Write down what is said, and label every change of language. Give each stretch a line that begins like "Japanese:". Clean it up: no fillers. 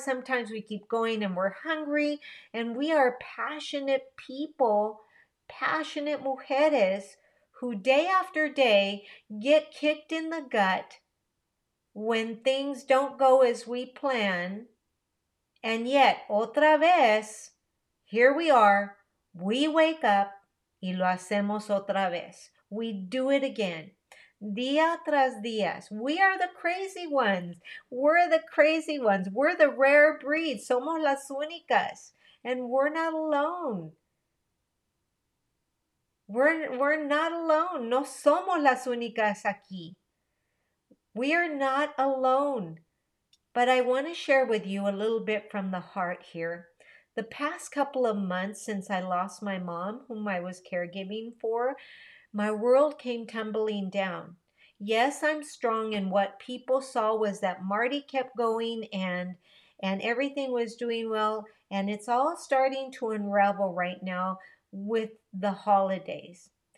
English: Sometimes we keep going and we're hungry, and we are passionate people, passionate mujeres, who day after day get kicked in the gut when things don't go as we plan. And yet,
Spanish: otra vez,
English: here we are, we wake up,
Spanish: y lo hacemos otra vez.
English: We do it again,
Spanish: día tras día.
English: We are the crazy ones. We're the crazy ones. We're the rare breed.
Spanish: Somos las únicas.
English: And we're not alone. We're not alone.
Spanish: No somos las únicas aquí.
English: We are not alone. But I want to share with you a little bit from the heart here. The past couple of months since I lost my mom, whom I was caregiving for, my world came tumbling down. Yes, I'm strong, and what people saw was that Marty kept going and everything was doing well, and it's all starting to unravel right now with the holidays.